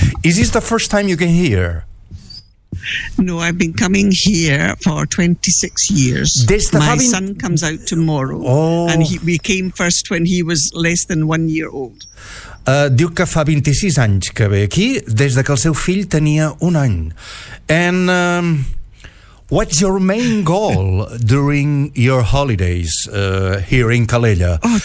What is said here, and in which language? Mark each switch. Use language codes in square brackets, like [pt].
[en] Is this the first time you came here? No, I've been coming here for 26 years. Son comes out tomorrow. Oh. And we came first when he was less than 1 year old. [ca] Diu que fa 26 anys que ve aquí, des de que el seu fill tenia un any. [en] And what's your main goal during your holidays here in Calella?